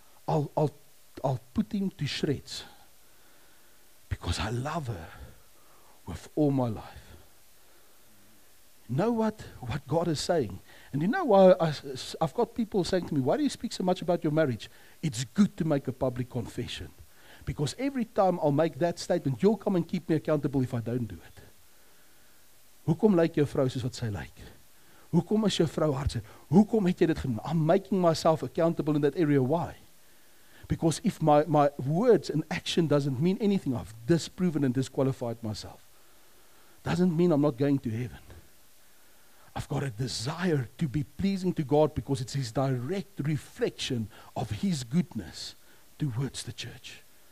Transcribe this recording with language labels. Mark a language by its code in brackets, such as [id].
[en] I'll put him to shreds because I love her with all my life. Know what God is saying. And you know why I've got people saying to me, why do you speak so much about your marriage? It's good to make a public confession. Because every time I'll make that statement, you'll come and keep me accountable if I don't do it. [af] Hoekom lyk jou vrou soos wat sy lyk? Hoekom is jou vrou hartseer? Hoekom het jy dit gedoen? [en] I'm making myself accountable in that area. Why? Because if my words and action doesn't mean anything, I've disproven and disqualified myself. Doesn't mean I'm not going to heaven. I've got a desire to be pleasing to God because it's His direct reflection of His goodness towards the church.